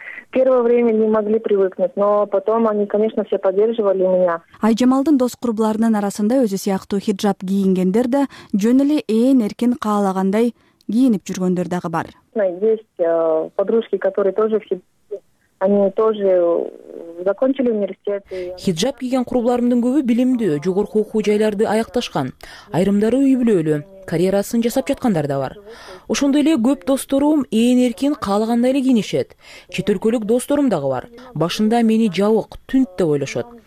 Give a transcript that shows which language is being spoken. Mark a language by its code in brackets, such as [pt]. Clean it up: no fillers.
[ru] Первое время не могли привыкнуть, но потом они, конечно, все поддерживали меня. [ky] Айжамалдын дос курбуларынын арасында өзү сыяктуу хиджаб кийингендер да жөн эле ээн эркин каалагандай кийинип жүргөндөр дагы бар. [ru] Есть подружки, которые тоже в они тоже закончили университет. [ky] Хиджаб кийген курбуларымдын көбү билимдүү, жогорку окуу жайларды аякташкан, айрымдары үй бүлөлүү. Карьерасын жасап жаткандар да бар. Ошондой эле көп досторум ээн эркин каалагандай эле кийинишет. Чет өлкөлүк досторум дагы бар. Башында мени жабык, түнт деп ойлошот.